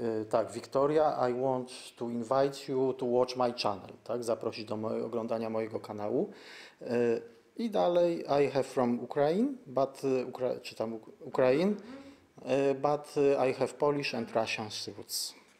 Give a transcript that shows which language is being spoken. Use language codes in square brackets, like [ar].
[en] Tak, Victoria, I want to invite you to watch my channel. [pl] Tak, zaprosić do oglądania mojego kanału. I dalej, [en] I have from Ukraine, but [pl] czytam [en] Ukraine, but I have Polish and Russian roots.